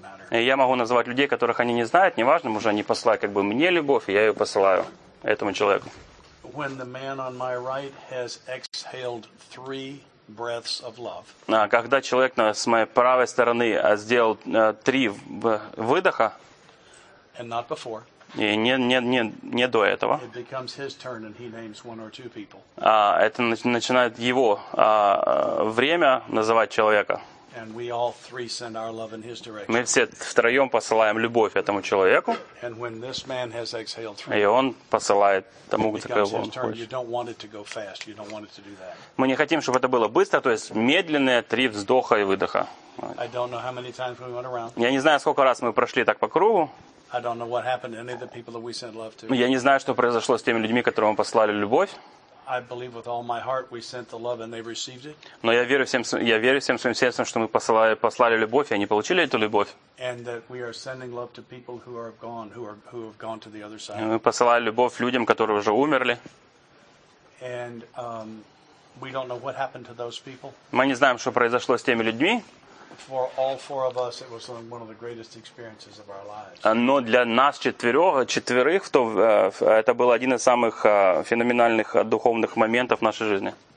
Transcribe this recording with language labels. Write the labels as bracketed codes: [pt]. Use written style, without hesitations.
[ru] И я могу называть людей, которых они не знают, неважно, уже они посылают как бы мне любовь, и я ее посылаю этому человеку. [en] When the man on my right has exhaled three breaths of love. [ru] Когда человек с моей правой стороны сделал три выдоха, [en] and not before, [ru] и не до этого, [en] it becomes his turn and he names one or two people. [ru] Это начинает его время называть человека. [en] And we all three send our love in his direction. [ru] Мы все втроем посылаем любовь этому человеку. [en] And when this man has exhaled three, [ru] и он посылает тому, [en] it becomes his turn. You don't want it to go fast. You don't want it to do that. [ru] Мы не хотим, чтобы это было быстро, то есть медленные три вздоха и выдоха. [en] I don't know how many times we went around. [ru] Я не знаю, сколько раз мы прошли так по кругу. [en] I don't know what happened to any of the people that we sent love to. [ru] Я не знаю, что произошло с теми людьми, которым мы посылали любовь. [en] I believe with all my heart we sent the love and they received it. [ru] Но я верю всем своим сердцем, что мы послали любовь, и они получили эту любовь. [en] And that we are sending love to people who are gone, who have gone to the other side. [ru] Мы посылали любовь людям, которые уже умерли. [en] And we don't know what happened to those people. [ru] Мы не знаем, что произошло с теми людьми. [en] For all four of us, it was one of the greatest experiences of our lives. [ru] Но для нас четверых, то это был один из самых феноменальных духовных моментов нашей жизни.